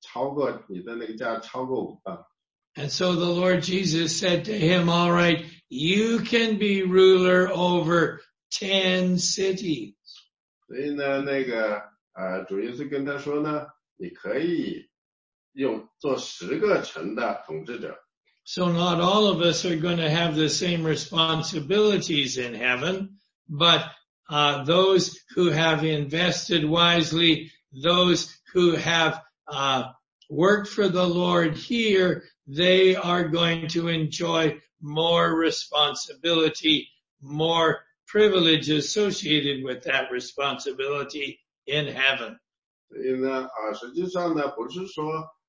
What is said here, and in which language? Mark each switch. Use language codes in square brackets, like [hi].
[zh] 所以呢，其中一个人给了他五磅，那他说你的那个超过你的那个价超过五磅。And [en] so the Lord Jesus said to him, all right, you can be ruler over 10 cities. [zh] 所以呢，主耶稣跟他说呢，你可以 [en] So not all of us are going to have the same responsibilities in heaven, but those who have invested wisely, those who have worked for the Lord here, they are going to enjoy more responsibility, more privilege associated with that responsibility in heaven. [zh] 所以呢，实际上呢，不是说